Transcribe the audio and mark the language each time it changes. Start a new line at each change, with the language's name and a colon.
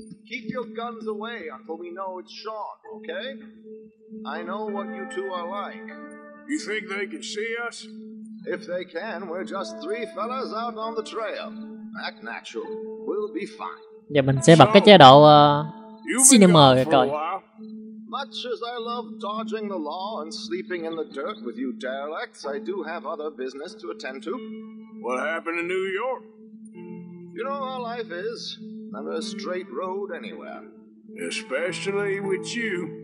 English: Keep your guns away until we know it's Sean, okay? I know what you two are like. You think they can see us? If they can, we're just three fellas out on the trail. Act natural. We'll be fine.
Vietnamese: Giờ mình sẽ bật cái chế độ cinema rồi coi.
English: Much as I love dodging the law and sleeping in the dirt with you derelicts, I do have other business to attend to. What happened in New York? You know how life is. Never a straight road anywhere. Especially with you.